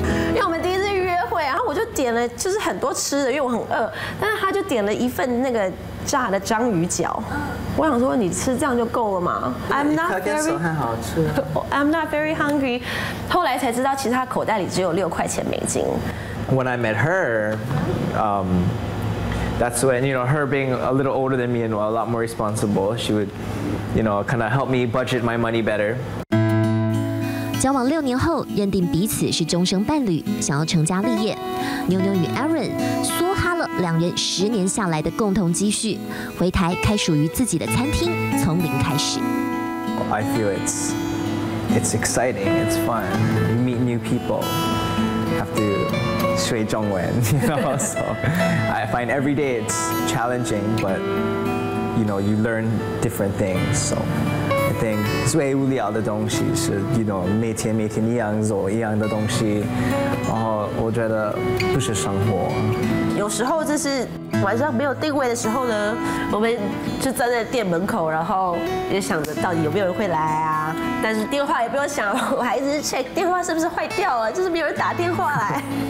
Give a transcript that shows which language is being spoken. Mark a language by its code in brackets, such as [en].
[zh] 因为我们第一次约会，然后我就点了就是很多吃的，因为我很饿，但是他就点了一份那个炸的章鱼脚。我想说你吃这样就够了吗 [en] I'm not very hungry。 [zh] 后来才知道其实他口袋里只有6块钱美金。 [en] When I met her that's when, you know, her being a little older than me and a lot more responsible, she would, you know, kind of help me budget my money better。 [zh] 交往六年后，认定彼此是终生伴侣，想要成家立业。妞妞与 Aaron 梭哈了两人10年下来的共同积蓄，回台开属于自己的餐厅，从零开始。 [en] I feel it's exciting, it's fun. You meet new people, have to [zh] 学中文 [en] you know. So I find every day it's challenging, but you know you learn different things. So. [zh] 最无聊的东西是，你懂，每天一样做一样的东西，然后我觉得不是生活。有时候就是晚上没有定位的时候呢，我们就站在店门口，然后也想着到底有没有人会来啊，但是电话也不用想，我还一直 check 电话是不是坏掉了，就是没有人打电话来。